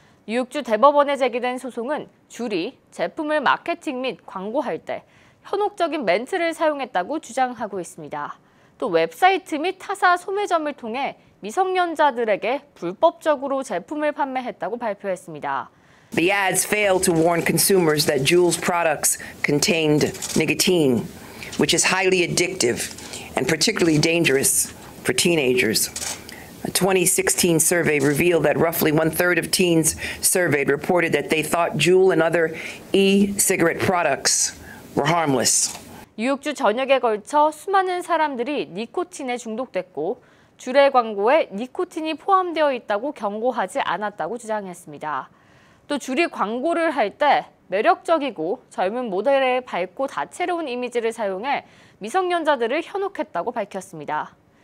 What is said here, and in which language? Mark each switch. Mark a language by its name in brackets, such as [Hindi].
[Korean] 뉴욕주 대법원에 제기된 소송은 줄이 제품을 마케팅 및 광고할 때 현혹적인 멘트를 사용했다고 주장하고 있습니다. 또 웹사이트 및 타사 소매점을 통해 미성년자들에게 불법적으로 제품을 판매했다고 발표했습니다. [English] The ads failed to warn consumers that Juul's products contained nicotine, which is highly addictive and particularly dangerous for teenagers. 2016 survey revealed that roughly one-third of teens surveyed reported that they thought Juul and other e-cigarette products were harmless. [Korean] 뉴욕주 전역에 걸쳐 수많은 사람들이 니코틴에 중독됐고 줄의 광고에 니코틴이 포함되어 있다고 경고하지 않았다고 주장했습니다. 또 줄이 광고를 할 때 매력적이고 젊은 모델의 밝고 다채로운 이미지를 사용해 미성년자들을 현혹했다고 밝혔습니다.